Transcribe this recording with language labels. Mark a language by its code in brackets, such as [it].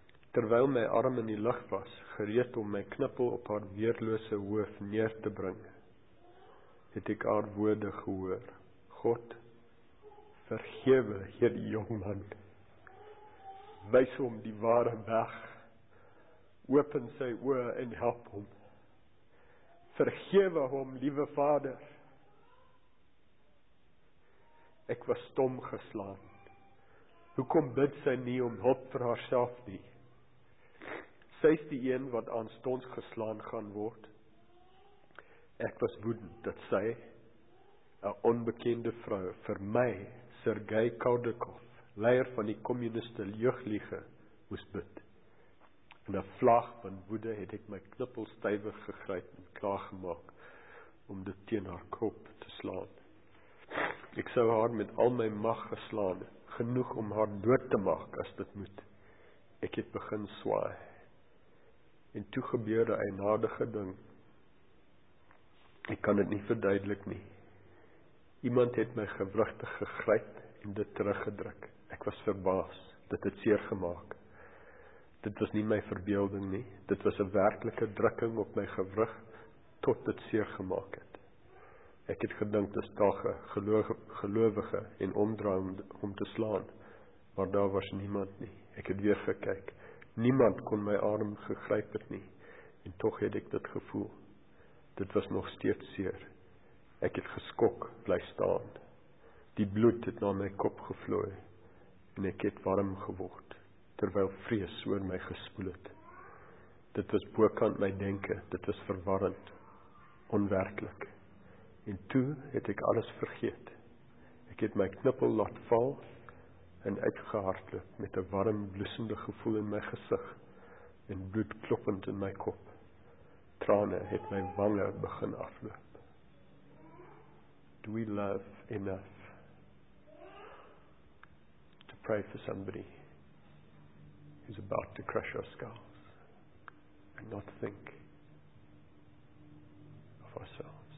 [af] Terwyl my arm in die lug was, gereed om my knippel op haar weerlose hoof neer te bring, het ek haar woorde gehoor, "God, vergewe hierdie jongman, wys hom die ware weg, open sy oë en help hom, vergewe hom, liewe Vader." Ek was stom geslaan, hoekom bid sy nie om hulp vir haarself nie? Sy is die een wat aanstonds geslaan gaan word. Ek was woedend dat sy, 'n onbekende vrou, vir my, Sergei Kardakov, leier van die communiste jeugdliga, moes bid. In 'n vlaag van woede het ek my knippel stywig gegryp en klaargemaak om dit teen haar kop te slaan. Ek sou haar met al my mag geslaan, genoeg om haar dood te maak as dit moet. Ek het begin swaai. En toe gebeurde 'n nadige ding. Ek kan dit nie verduidelik nie. Iemand het my gewrigte gegryp en dit teruggedruk. Ek was verbaas, dit het seer gemaak. Dit was nie my verbeelding nie, dit was 'n werklike drukking op my gewrig tot dit seer gemaak het. Ek het gedink dis daar 'n gelowige en omdraai om te slaan, maar daar was niemand nie. Ek het weer gekyk. Niemand kon my arm gegryp het nie, en tog het ek dit gevoel. Dit was nog steeds seer. Ek het geskok bly staan. Die bloed het na my kop gevloei, en ek het warm geword, terwyl vrees oor my gespoel het. Dit was bokant my denke, dit was verwarrend, onwerklik. En toe het ek alles vergeet. Ek het my knippel laat val, en uitgehardloop met 'n warm, bloesende gevoel in my gesig en bloed kloppend in my kop. Trane het my wange begin afloop. [en] Do we love enough to pray for somebody who's about to crush our skulls and not think of ourselves?